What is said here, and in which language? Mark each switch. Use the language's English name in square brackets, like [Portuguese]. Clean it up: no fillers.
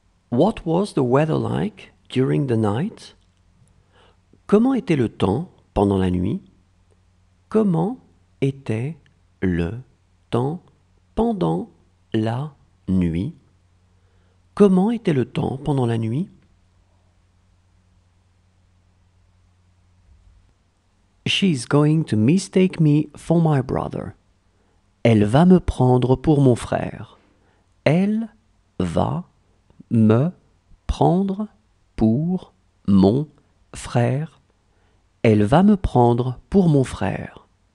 [English] What was the weather like during the night? [French] Comment était le temps pendant la nuit? Comment était le temps pendant la nuit? Comment était le temps pendant la nuit? [English] She's going to mistake me for my brother. [French] Elle va me prendre pour mon frère. Elle va me prendre pour mon frère. Elle va me prendre pour mon frère.